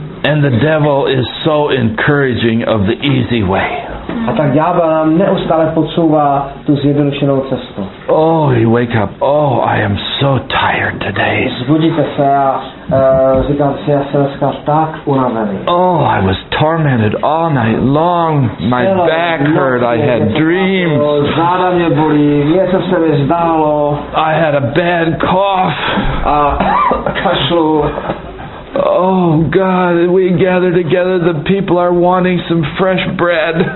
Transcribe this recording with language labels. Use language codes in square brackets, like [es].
[en] And the devil is so encouraging of the easy way. [cs] A tak ďábel nám neustále podsouvá tu zjednodušenou cestu. [en] Oh, you wake up. Oh, I am so tired today. [cs] Zbudíte se a říkám si, já jsem dneska tak unavený. [en] Oh, I was tormented all night long. My back hurt. I had dreams. [cs] Záda mě bolí. Něco se mi zdálo. [en] I had a bad cough. [cs] A kašlu. [en] Oh God, we gather together, the people are wanting some fresh bread.